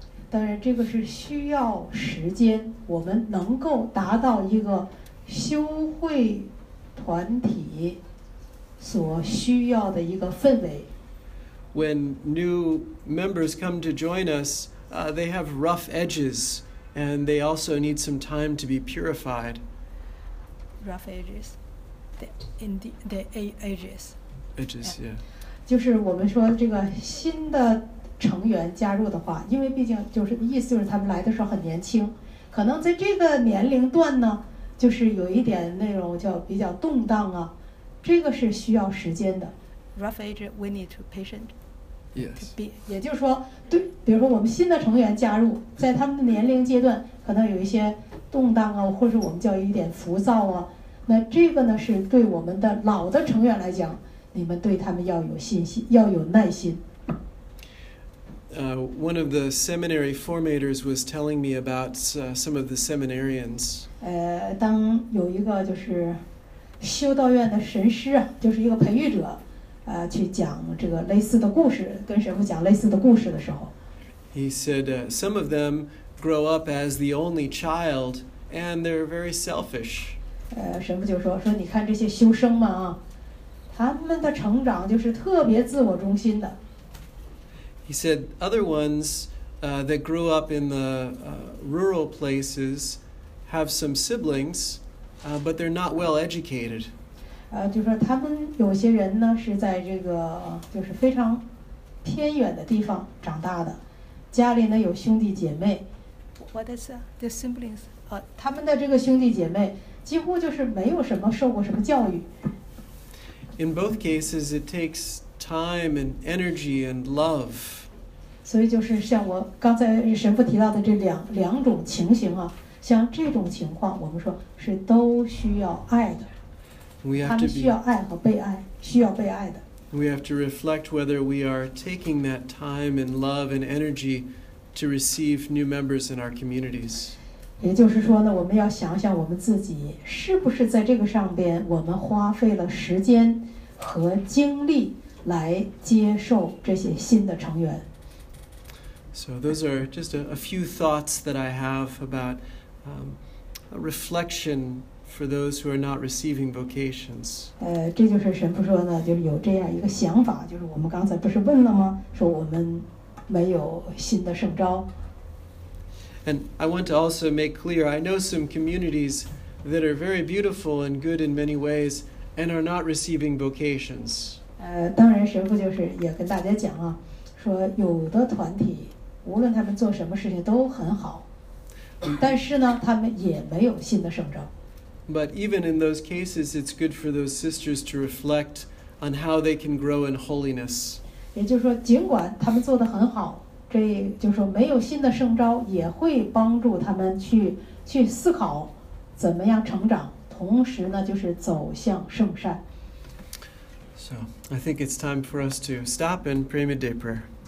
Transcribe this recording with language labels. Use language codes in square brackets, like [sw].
[zh] 当然这个是需要时间，我们能够达到一个修会团体所需要的一个氛围。 [en] When new members come to join us, they have rough edges, and they also need some time to be purified. Rough edges, the edges. Edges, yeah. [zh] 就是我们说这个新的成员加入的话，因为毕竟就是意思就是他们来的时候很年轻，可能在这个年龄段呢，就是有一点那种叫比较动荡啊，这个是需要时间的。 [en] Rough edges, we need to patient. Yes. [zh] 也就是说，对，比如说我们新的成员加入，在他们的年龄阶段，可能有一些动荡啊，或者我们叫一点浮躁啊。那这个呢，是对我们的老的成员来讲，你们对他们要有信心，要有耐心。 [en] One of the seminary formators was telling me about some of the seminarians. [zh] 当有一个就是修道院的神师啊，就是一个培育者。去讲这个类似的故事，跟神父讲类似的故事的时候 [en] ，He said some of them grow up as the only child, and they're very selfish. [zh] 神父就说你看这些修生们啊，他们的成长就是特别自我中心的。 [en] He said other ones that grew up in the rural places have some siblings, but they're not well educated. [zh] 就是说他们有些人呢是在这个就是非常偏远的地方长大的，家里呢有兄弟姐妹。 [en] What is the siblings? [zh] 他们的这个兄弟姐妹几乎就是没有什么受过什么教育。 [en] In both cases, it takes time and energy and love. [zh] 所以就是像我刚才神父提到的这两种情形啊，像这种情况，我们说是都需要爱的。 [en] We have to be. [zh] 他们需要爱和被爱，需要被爱的。 [en] We have to reflect whether we are taking that time and love and energy to receive new members in our communities. [zh] 也就是说呢，我们要想想我们自己是不是在这个上边，我们花费了时间和精力。来接受这些新的成员。 [en] So those are just a few thoughts that I have about a reflection for those who are not receiving vocations. [zh] 这就是神父说呢，就是有这样一个想法，就是我们刚才不是问了吗？说我们没有新的圣召。 [en] And I want to also make clear, I know some communities that are very beautiful and good in many ways and are not receiving vocations. [zh] 当然神父就是也跟大家讲啊，说有的团体无论他们做什么事情都很好，但是呢他们也没有新的圣召。 [en] But even in those cases, it's good for those sisters to reflect on how they can grow in holiness. [zh] 也就是说尽管他们做得很好，这就是说没有新的圣召也会帮助他们去思考怎么样成长，同时呢就是走向圣善。 [en] So, I think it's time for us to stop and pray midday prayer.